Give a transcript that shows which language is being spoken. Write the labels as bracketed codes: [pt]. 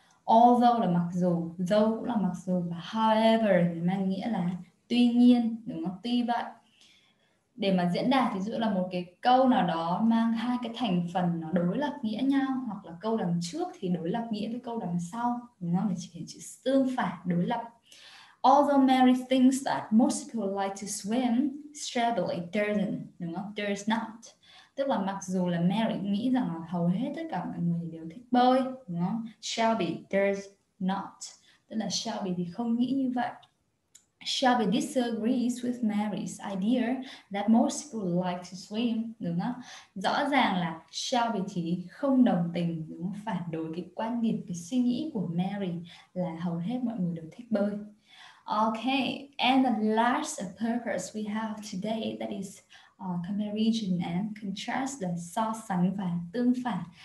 [vi] Although là mặc dù, though cũng là mặc dù, và however thì mang nghĩa là tuy nhiên, đúng không? Tuy vậy. Để mà diễn đạt ví dụ là một cái câu nào đó mang hai cái thành phần nó đối lập nghĩa nhau, hoặc là câu đằng trước thì đối lập nghĩa với câu đằng sau, đúng không? Để chỉ chữ tương phản đối lập. [en] Although Mary thinks that most people like to swim, Stradley doesn't, [vi] đúng không? [en] There's not. [vi] Tức là mặc dù là Mary nghĩ rằng là hầu hết tất cả mọi người đều thích bơi, đúng không? [en] Shelby does not. [vi] Tức là Shelby thì không nghĩ như vậy. [en] Shelby disagrees with Mary's idea that most people like to swim, [vi] đúng không? Rõ ràng là Shelby thì không đồng tình, đúng không? Phản đối cái quan điểm, cái suy nghĩ của Mary là hầu hết mọi người đều thích bơi. [en] Okay, and the last purpose we have today, that is comparison and contrast, [vi] là so sánh và tương phản.